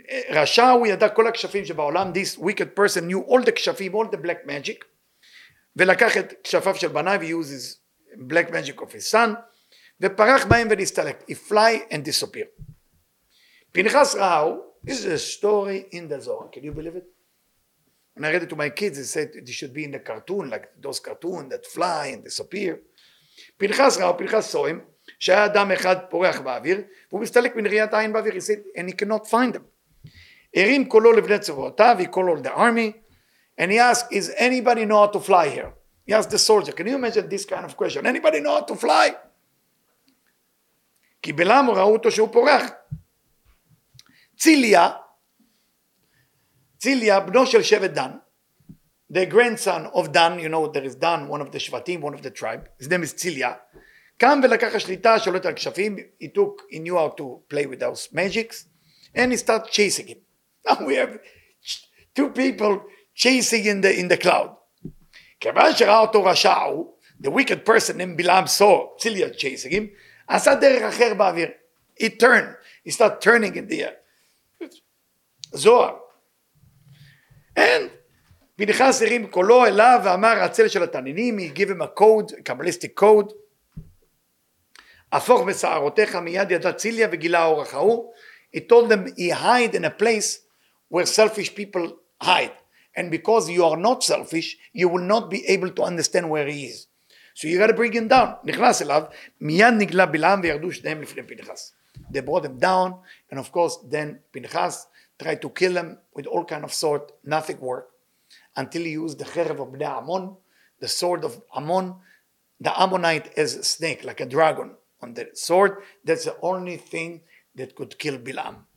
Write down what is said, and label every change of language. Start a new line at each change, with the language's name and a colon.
Hebrew: רשע הוא ידע כל הכשפים שבעולם,
English: this wicked person knew all the כשפים, all the black magic,
Hebrew: ולקח את כשפיו של בני,
English: he used his black magic of his son,
Hebrew: ופרח בהם ונסתלק,
English: he fly and disappear.
Hebrew: פנחס ראה הוא,
English: this is a story in the Zohar, can you believe it? When I read it to my kids, they said they should be in the cartoon, like those cartoons that fly and disappear.
Hebrew: פנחס ראה הוא, פנחס
English: saw him,
Hebrew: שהיה אדם אחד פורח באוויר, והוא מסתלק מנריאת עין באוויר,
English: he said, and he cannot find them.
Hebrew: הרים קולו לבני צבאותיו,
English: he called all the army, and he asked, is anybody know how to fly here? He asked the soldier, can you imagine this kind of question? Anybody know how to fly?
Hebrew: כי בלעם ראו אותו שהוא פורח. ציליה, בנו של שבט דן,
English: the grandson of Dan, you know, there is Dan, one of the שבטים, one of the tribe, his name is ציליה,
Hebrew: קם ולקח השליטה שולט על כשפים,
English: he took, he knew how to play with those magics, and he started chasing him. Now we have two people chasing in the cloud.
Hebrew: כיוון שראה אותו רשע הוא,
English: the wicked person named בלעם saw ציליה chasing him,
Hebrew: עשה דרך אחר באוויר,
English: he turned, he started turning in the air. זוהר. And
Hebrew: פנחס הרים קולו אליו ואמר הצל של התנינים,
English: he gave him a code, a Kabbalistic code,
Hebrew: הפוך בסערותיך מיד ידע ציליה וגילה אורך ההוא.
English: He told them he hide in a place where selfish people hide. And because you are not selfish, you will not be able to understand where he is. So you got to bring him down.
Hebrew: נכנס אליו, מיד נגלה בלעם וירדו שניהם לפני פנחס.
English: They brought him down, and of course then פנחס tried to kill him with all kind of sword. Nothing worked until he used the חרב of בני עמון, the sword of עמון, the Ammonite as a snake, like a dragon. On the sword, that's the only thing that could kill Bilam.